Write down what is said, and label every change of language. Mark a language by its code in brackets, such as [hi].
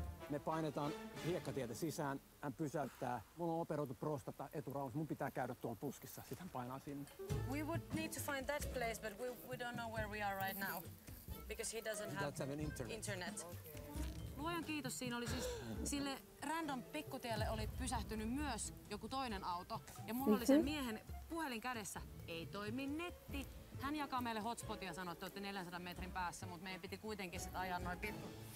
[fi] Me painetaan hiekkatietä sisään. Hän pysäyttää. Mulla on operoitu prostata eturauhassa. Mun pitää käydä tuon puskissa. Sitten painaa sinne. [en] We would need to find that place, but we don't know where we are right now. Because he doesn't have an internet. [fi] Luojan kiitos. Siinä oli siis sille random pikkutielle oli pysähtynyt myös joku toinen auto. Ja mulla oli sen miehen puhelin kädessä. Ei toimi netti. Hän jakaa meille hotspotia, sanoi, että olette 400 metrin päässä, mutta meidän piti kuitenkin sit ajaa noin pitkä.